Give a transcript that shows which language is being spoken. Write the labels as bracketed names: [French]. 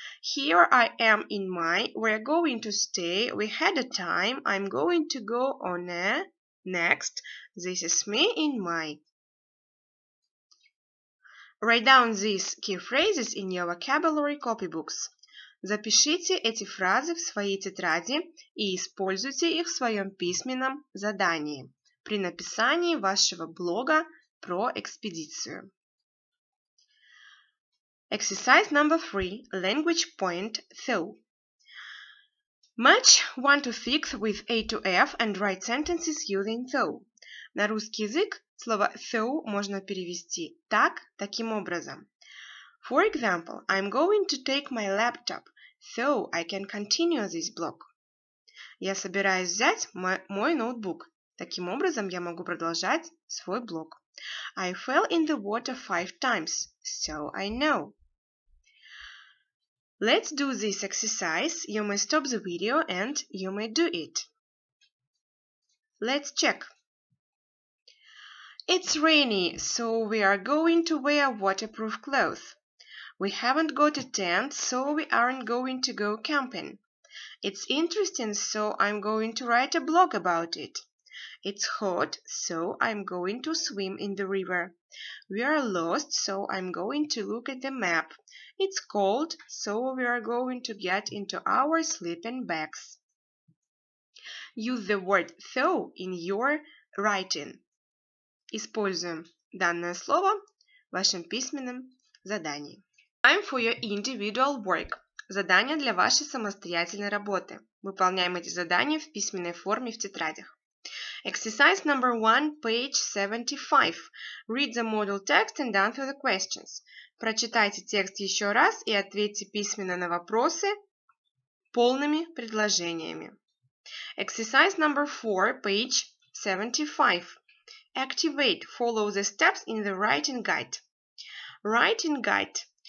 [English] Here I am in my, we're going to stay, we had a time, I'm going to go on a, next, this is me in my. Write down these key phrases in your vocabulary copybooks. [Russian] Запишите эти фразы в своей тетради и используйте их в своем письменном задании при написании вашего блога про экспедицию. [English] Exercise number 3. Language point though. Match 1 to 6 with A to F and write sentences using though. [Russian] На русский язык слово though можно перевести так, таким образом. [English] For example, I'm going to take my laptop. So, I can continue this blog. [Russian] Я собираюсь взять мой ноутбук. Таким образом, я могу продолжать свой блог. [English] I fell in the water 5 times. So, I know. Let's do this exercise. You may stop the video and you may do it. Let's check. It's rainy, so we are going to wear waterproof clothes. We haven't got a tent, so we aren't going to go camping. It's interesting, so I'm going to write a blog about it. It's hot, so I'm going to swim in the river. We are lost, so I'm going to look at the map. It's cold, so we are going to get into our sleeping bags. Use the word though in your writing. [Russian] Используем данное слово в вашем письменном задании. [English] Time for your individual work. [Russian] Задания для вашей самостоятельной работы. Выполняем эти задания в письменной форме в тетрадях. [English] Exercise number 1, page 75. Read the model text and answer the questions. [Russian] Прочитайте текст еще раз и ответьте письменно на вопросы полными предложениями. [English] Exercise number 4, page 75. Activate. Follow the steps in the writing guide. Writing guide.